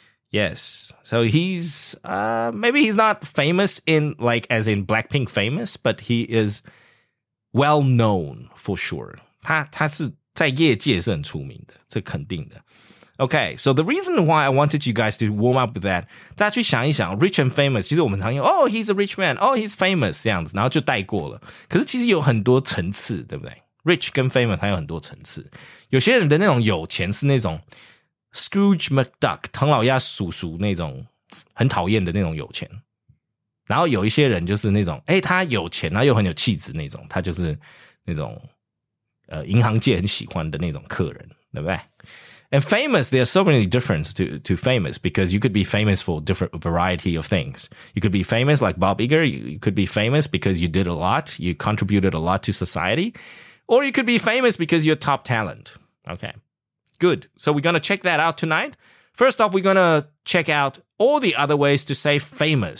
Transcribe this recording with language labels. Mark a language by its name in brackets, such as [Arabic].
[English] Yes. So he's, maybe he's not famous in, like, as in Blackpink famous, but he is well known for sure. [Chinese] 他是在业界是很出名的，这肯定的。 [English] Okay, so the reason why I wanted you guys to warm up with that, [Chinese] 大家去想一想 [English] rich and famous, [Chinese] 其实我们常用 [English] oh, he's a rich man, oh, he's famous, [Chinese] 这样子，然后就带过了。可是其实有很多层次，对不对？ Rich 跟 famous 它有很多层次。有些人的那种有钱是那种 Scrooge McDuck, 唐老鸭叔叔那种很讨厌的那种有钱。然后有一些人就是那种诶他有钱然后又很有气质那种，他就是那种银行界很喜欢的那种客人，对不对？ [English] And famous, there are so many differences to famous, because you could be famous for different variety of things. You could be famous like Bob Iger, you could be famous because you did a lot, you contributed a lot to society, or you could be famous because you're top talent. Okay, good. So we're going to check that out tonight. First off, we're going to check out all the other ways to say famous.